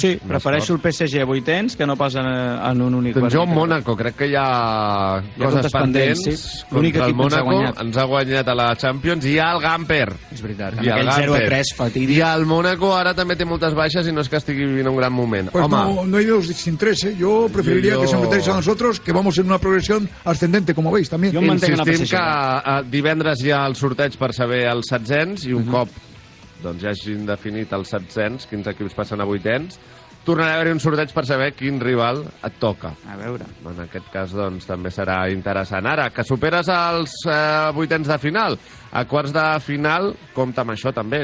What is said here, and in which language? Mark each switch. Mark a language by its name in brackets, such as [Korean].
[Catalan] Sí, prefereixo el PSG a vuitens, que no pas en un únic partit. Doncs jo, Mónaco, crec que hi ha coses pendents. Sí. L'únic equip que ens ha guanyat. Ens ha guanyat a la Champions i hi ha el Gamper. És veritat, amb aquell 0-3 fatídic. I el Mónaco ara també té moltes baixes i no és que estigui vivint un gran moment. Pues home, no hi deus sin tres, eh? Jo preferiria que s'enfrontéis a [Spanish] nosotros, que vamos en una progresión ascendente, como veis, también. [Catalan] Insistim que divendres hi ha el sorteig per saber els setzens, i un cop doncs ja hagin definit els setzens, quins equips passen a vuitens, tornarà a haver-hi un sorteig per saber quin rival et toca. A veure. En aquest cas, doncs, també serà interessant. Ara, que superes els vuitens de final, a quarts de final, compta amb això, també.